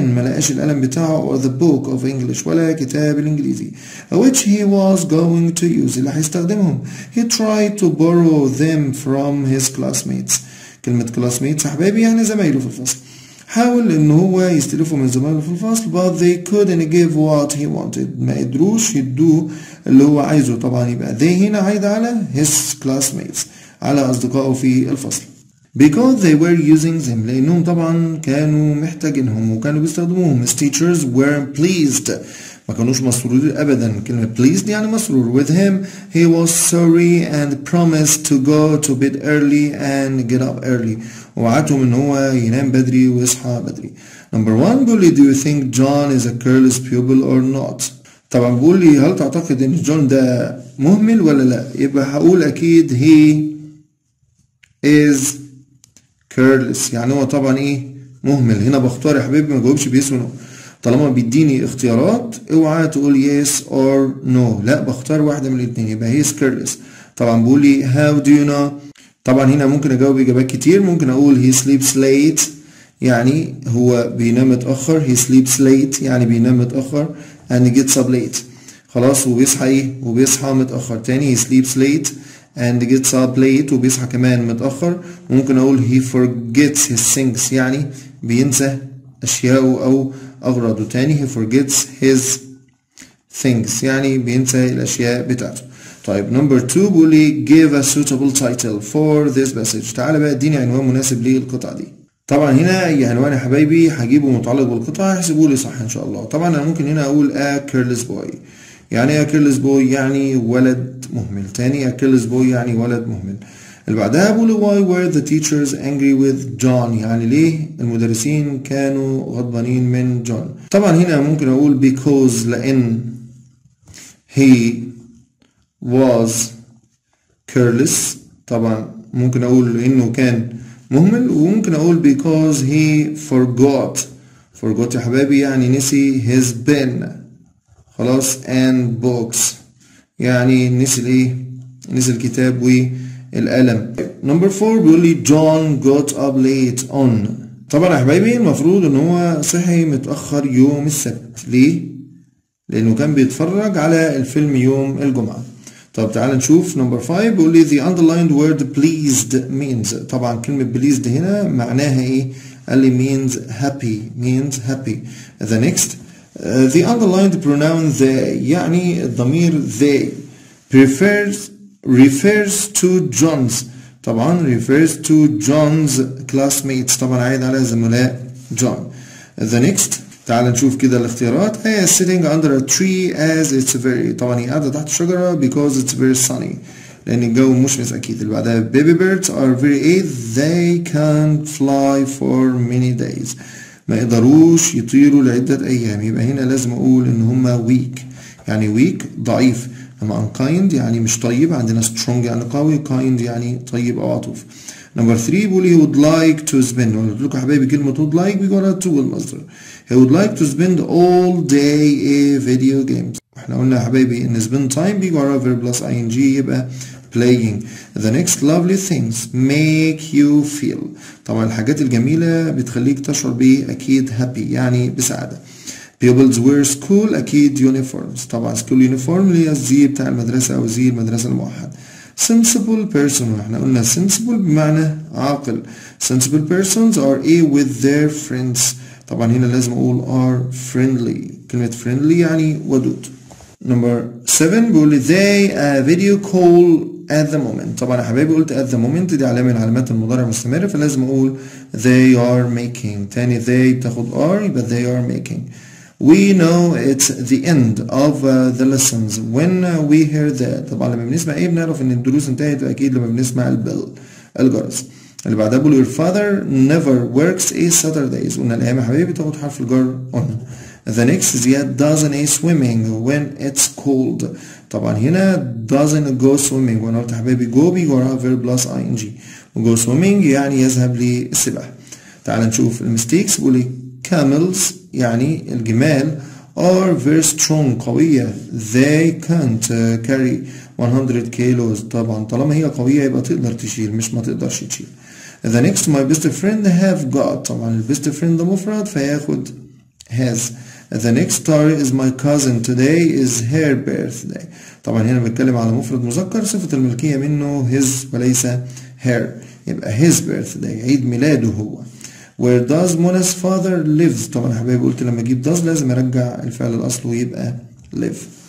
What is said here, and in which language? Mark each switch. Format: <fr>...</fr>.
<ar>ما لقاش القلم بتاعه</ar> <en>or the book of English</en> <ar>ولا كتاب الإنجليزي</ar> <en>which he was going to use</en> <ar>اللي هيستخدمهم.</ar> <en>He tried to borrow them from his classmates.</en> <ar>كلمة classmates أحبابي يعني زمايله في الفصل. حاول إن هو يستلفه من زمايله في الفصل</ar> <en>but they couldn't give what he wanted.</en> <ar>ما قدروش يدوه اللي هو عايزه. طبعا يبقى they هنا عايد على his classmates على أصدقائه في الفصل.</ar> <en>Because they were using them</en> <ar>لأنهم طبعا كانوا محتاجينهم وكانوا بيستخدموهم.</ar> <en>His teachers weren't pleased</en> <ar>ما كانوش مسرور أبدا. كلمة pleased يعني مسرور.</ar> <en>With him he was sorry and promised to go to bed early and get up early</en> <ar>وعدتهم إن هو ينام بدري ويصحى بدري.</ar> <en>Number one</en> <ar>بيقول لي</ar> <en>do you think John is a careless pupil or not.</en> <ar>طبعا بيقول لي هل تعتقد إن جون ده مهمل ولا لا. يبقى هقول أكيد</ar> <en>he is careless</en> <ar>يعني هو طبعا ايه مهمل. هنا بختار يا حبيبي ما جاوبش بيسونو. طالما بيديني اختيارات اوعى تقول</ar> <en>yes or no.</en> <ar>لا بختار واحدة من الاثنين يبقى</ar> <en>he is careless.</en> <ar>طبعا بقولي</ar> <en>how do you know.</en> <ar>طبعا هنا ممكن اجاوب اجابات كتير. ممكن اقول</ar> <en>he sleeps late</en> <ar>يعني هو بينام متأخر.</ar> <en>he sleeps late</en> <ar>يعني بينام متأخر</ar> <en>and gets up late</en> <ar>خلاص وبيصحى ايه وبيصحى متأخر.</ar> <en>تاني he sleeps late and gets up late</en> <ar>وبيصحى كمان متأخر. ممكن أقول</ar> <en>he forgets his things</en> <ar>يعني بينسى أشياءه أو أغراضه. تاني</ar> <en>he forgets his things</en> <ar>يعني بينسى الأشياء بتاعته.</ar> <en>طيب number two بقولي give a suitable title for this passage.</en> <ar>تعال بقى اديني عنوان مناسب للقطعة دي. طبعا هنا أي عنوان يا حبايبي هجيبه متعلق بالقطعة هحسبه لي صح إن شاء الله. طبعا أنا ممكن هنا أقول</ar> <en>a careless boy.</en> <ar>يعني a careless boy يعني ولد مهمل. تاني</ar> <en>a careless boy</en> <ar>يعني ولد مهمل. اللي بعدها بقول</ar> <en>why were the teachers angry with John</en> <ar>يعني ليه المدرسين كانوا غضبانين من جون. طبعا هنا ممكن اقول because لان</ar> <en>he was careless.</en> <ar>طبعا ممكن اقول انه كان مهمل، وممكن اقول</ar> <en>because he forgot.</en> <ar>forgot يا حبايبي يعني نسي</ar> <en>his pen</en> <ar>خلاص</ar> <en>and books</en> <ar>يعني نسي الايه، نسي الكتاب والقلم.</ar> <en>number 4</en> <ar>بيقول لي</ar> <en>John got up late on.</en> <ar>طبعا يا حبايبي المفروض ان هو صحي متاخر يوم السبت، ليه؟ لانه كان بيتفرج على الفيلم يوم الجمعه. طب تعال نشوف نمبر 5 بيقول لي</ar> <en>the underlined word pleased means.</en> <ar>طبعا كلمه pleased هنا معناها ايه؟ قال لي</ar> <en>means happy،</en> <ar>means happy.</ar> <en>the next the underlined pronoun the</en> <ar>يعني الضمير</ar> <en>the refers to John's.</en> <ar>طبعا</ar> <en>refers to John's classmates،</en> <ar>طبعا عايد على زملاء John.</ar> <en>the next</en> <ar>تعال نشوف كده الاختيارات.</ar> <en>he is sitting under a tree as it's very،</en> <ar>طبعا هي قاعدة تحت الشجرة</ar> <en>because it's very sunny،</en> <ar>لان الجو مشمس اكيد. اللي بعدها</ar> <en>baby birds are very ill they can't fly for many days،</en> <ar>ما يقدروش يطيروا لعدة ايام. يبقى هنا لازم اقول ان هما weak يعني weak ضعيف، اما unkind يعني مش طيب، عندنا strong يعني قوي، kind يعني طيب او عطوف. number 3 بيقول</ar> <en>he would like to spend،</en> <ar>قلت لكم يا حبايبي كلمة would like بيقولها to المصدر.</ar> <en>he would like to spend all day a video games،</en> <ar>احنا قلنا يا حبايبي ان</ar> <en>spend time بيقول a verb plus ing يبقى playing. the next lovely things make you feel،</en> <ar>طبعا الحاجات الجميلة بتخليك تشعر بيه اكيد happy يعني بسعادة.</ar> <en>pupils wear school</en> <ar>اكيد uniforms، طبعا school uniform اللي هي الزي بتاع المدرسة او زي المدرسة الموحد. sensible person احنا قلنا sensible بمعنى عاقل.</ar> <en>sensible persons are a with their friends،</en> <ar>طبعا هنا لازم اقول</ar> <en>are friendly، كلمة friendly</en> <ar>يعني ودود. number 7 بيقول</ar> <en>they a video call at the moment،</en> <ar>طبعا يا حبايبي قلت at the moment دي علامة من علامات المضارع المستمر، فلازم اقول</ar> <en>they are making.</en> <ar>تاني they بتاخد are يبقى</ar> <en>they are making. we know it's the end of the lessons when we hear that،</en> <ar>طبعا لما بنسمع ايه بنعرف ان الدروس انتهت اكيد لما بنسمع البل الجرس. اللي بعدها بيقول</ar> <en>your father never works a Saturdays،</en> <ar>قلنا الايام يا حبايبي تاخد حرف الجر on.</ar> <en>the next is yet doesn't a swimming when it's cold،</en> <ar>طبعا هنا</ar> <en>doesn't go swimming،</en> <ar>وانا قلت يا حبايبي</ar> <en>go be or have verb plus ing، go swimming</en> <ar>يعني يذهب للسباحه. تعال نشوف المستيكس. بيقول لي camels يعني الجمال</ar> <en>are very strong</en> <ar>قوية</ar> <en>they can't carry 100 kilos،</en> <ar>طبعا طالما هي قوية يبقى تقدر تشيل مش ما تقدرش تشيل.</ar> <en>the next my best friend have got،</en> <ar>طبعا البست فريند مفرد فياخد</ar> <en>has. the next story is my cousin today is her birthday،</en> <ar>طبعا هنا بنتكلم على مفرد مذكر صفة الملكية منه his وليس her، يبقى</ar> <en>his birthday</en> <ar>عيد ميلاده هو.</ar> <en>where does Mona's father lives،</en> <ar>طبعا حبايبي قلت لما اجيب does لازم ارجع الفعل الاصل ويبقى live.</ar>